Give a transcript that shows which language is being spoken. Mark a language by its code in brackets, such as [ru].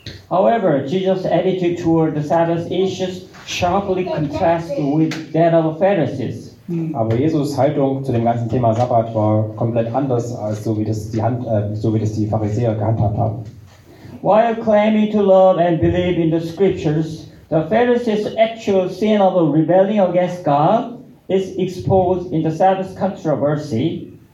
[en] However, Jesus' attitude toward the Sabbath issues sharply contrasts with that of the Pharisees. [de] Aber Jesus' Haltung zu dem ganzen Thema Sabbat war komplett anders, als so wie das die, die Pharisäer gehandhabt haben. [en] While claiming to love and believe in the scriptures, the Pharisees' actual sin of rebellion against God is exposed in the Sabbath controversy.